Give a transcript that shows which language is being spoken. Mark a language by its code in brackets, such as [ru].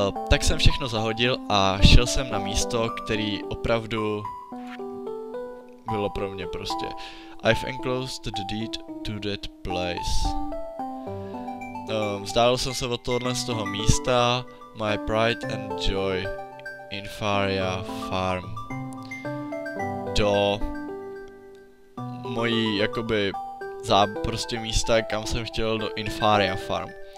[cs] Tak jsem všechno zahodil a šel jsem na místo, který opravdu bylo pro mě prostě. [en] I've enclosed the deed to that place. [cs] Vzdálil jsem se od tohohle z toho místa. [en] My pride and joy. [cs] Infaria farm. Do mojí jakoby prostě místa, kam jsem chtěl, do Infaria farm.